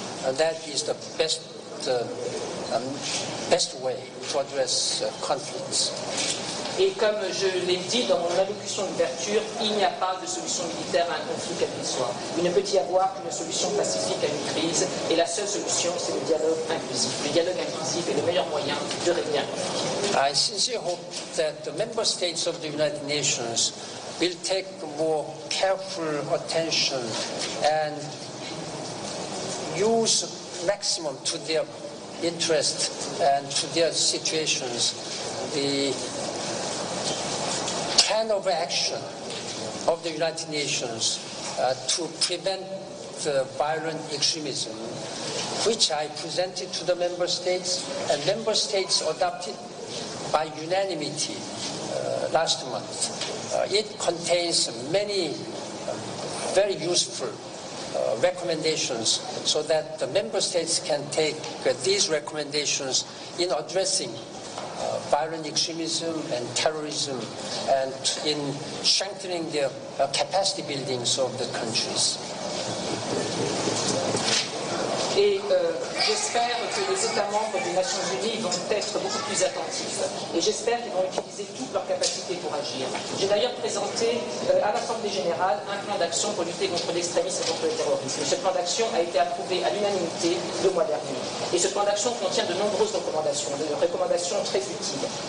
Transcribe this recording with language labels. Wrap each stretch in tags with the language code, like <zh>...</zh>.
<en>And that is the best way to address conflicts.</en> <fr>Et comme je l'ai dit dans mon allocution d'ouverture, il n'y a pas de solution militaire à un conflit quel qu'il soit. Il ne peut y avoir qu'une solution pacifique à une crise, et la seule solution, c'est le dialogue inclusif. Le dialogue inclusif est le meilleur moyen de régler un conflit.</fr> <en>I sincerely hope that the member states of the United Nations will take more careful attention and use maximum to their interest and to their situations the plan of action of the United Nations to prevent the violent extremism, which I presented to the member states, and member states adopted by unanimity last month. It contains many very useful recommendations so that the member states can take these recommendations in addressing violent extremism and terrorism, and in strengthening the capacity buildings of the countries.</en> <fr>Et j'espère que les États membres des Nations Unies vont être beaucoup plus attentifs. Et j'espère qu'ils vont utiliser toutes leurs capacités pour agir. J'ai d'ailleurs présenté à l'Assemblée Générale un plan d'action pour lutter contre l'extrémisme et contre le terrorisme. Ce plan d'action a été approuvé à l'unanimité le mois dernier. Et ce plan d'action contient de nombreuses recommandations, de recommandations très utiles.</fr>